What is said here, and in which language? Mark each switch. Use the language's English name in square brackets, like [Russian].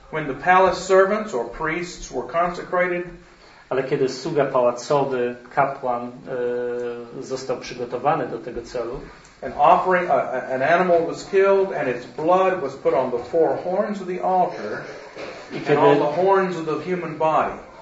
[English] When the palace servants or priests were consecrated, [Polish] ale kiedy sługa pałacowy, kapłan został przygotowany do tego celu, [English] an offering, an animal was killed and its blood was put on the four horns of the altar and on the horns of the human body.